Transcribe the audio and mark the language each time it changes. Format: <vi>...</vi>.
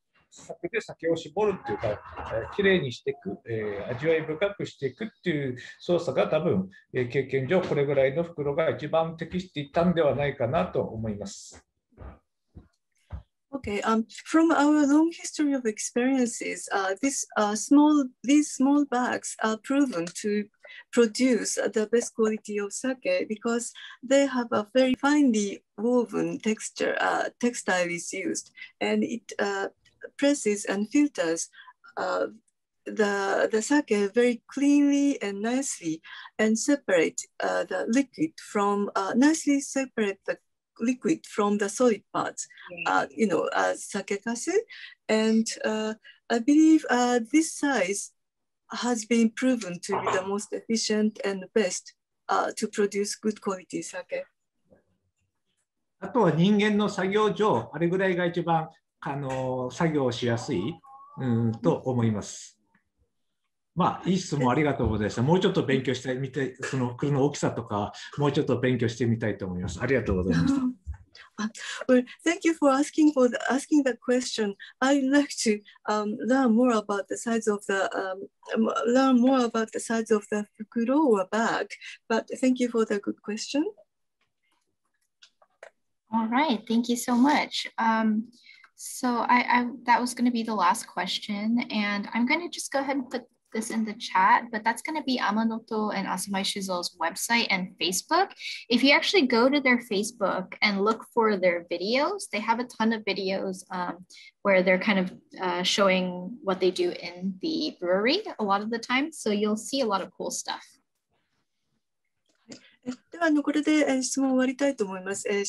<ja>酒で酒を絞るっていうか、きれいにしていく、味わい深くしていくっていう操作が、多分、経験上これぐらいの袋が一番適していたんではないかなと思います。</ja> <en>Okay, from our long history of experiences, these small bags are proven to produce the best quality of sake because they have a very finely woven texture, textile is used, and it, presses and filters the sake very cleanly and nicely, and separate the liquid from nicely separate the liquid from the solid parts, as sake kasu. And I believe this size has been proven to be the most efficient and best to produce good quality sake.</en> <ja>あとは人間の作業上、あれぐらいが一番作業しやすい、と思います。いい質問ありがとうございました。もうちょっと勉強してみて、その袋の大きさとか、もうちょっと勉強してみたいと思います。ありがとうございました。</ja> <en>Thank you for asking that question. I'd like to learn more about the size of the 袋 or bag, but thank you for the good question. All right, thank you so much. So I that was going to be the last question, and I'm going to just go ahead and put this in the chat, but that's going to be Amanoto and Asamai Shizuo's website and Facebook. If you actually go to their Facebook and look for their videos, they have a ton of videos where they're kind of showing what they do in the brewery a lot of the time. So you'll see a lot of cool stuff.</en> <ja>ではこれで質問終わりたいと思います。</ja>